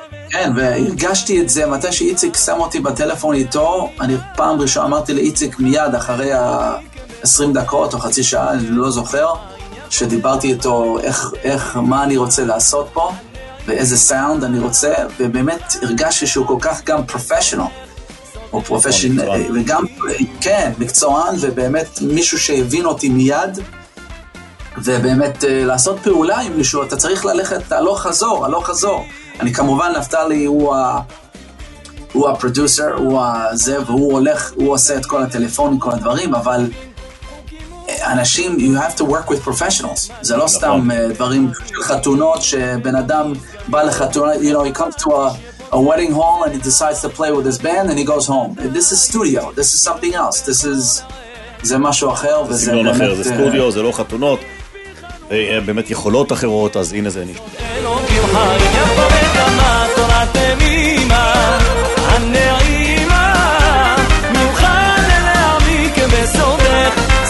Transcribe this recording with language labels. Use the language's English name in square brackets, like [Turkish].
[Hebrew] כן, והרגשתי את זה, מתי שאיציק שם אותי בטלפון איתו, אני פעם ראשון אמרתי לאיציק מיד אחרי ה-20 דקות או חצי שעה, אני לא זוכר, שדיברתי איתו איך, מה אני רוצה לעשות פה, ואיזה סאונד אני רוצה, ובאמת הרגשתי שהוא כל כך גם פרופשיונל, או פרופשיונל, וגם, כן, מקצוען, ובאמת מישהו שהבין אותי מיד, ובאמת לעשות פעולה עם מישהו, אתה צריך ללכת הלוך חזור, הלוך חזור. אני כמובן, נפתלי הוא הפרודוסר, הוא זה, והוא הולך, הוא עושה את כל הטלפון, כל הדברים, אבל... אנשים, [English] you have to work with professionals. [Hebrew] זה לא סתם דברים של חתונות שבן אדם בא לחתונות, [English] you know, he comes to a wedding hall and he decides to play with his band and he goes home. This is studio, this is something else. This is, [Hebrew] זה משהו אחר. זה סגנון אחר, זה סטודיו, זה לא חתונות. באמת יכולות אחרות, אז הנה זה אני. אלוקים חיים, יפה בקמה, תורת אמימה, הנעימה, ממך ללעמי כבסורך.